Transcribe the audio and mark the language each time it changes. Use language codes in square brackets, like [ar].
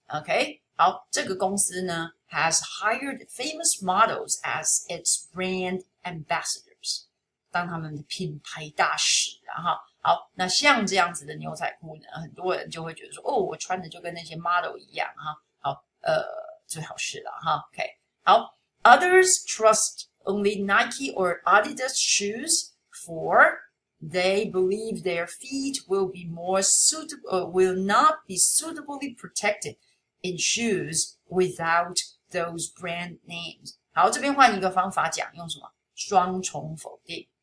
[zh] OK， 好，这个公司呢 [en] has hired famous models as its brand ambassadors， [zh] 当他们的品牌大使。然后，好，那像这样子的牛仔裤呢，很多人就会觉得说，哦，我穿的就跟那些 model 一样哈。最好是啦哈 ,OK。 [en] 好 ,others trust only Nike or Adidas shoes for they believe their feet will be more suitable, will not be suitably protected in shoes without those brand names. [zh] 好这边换一个方法讲用什么双重否定。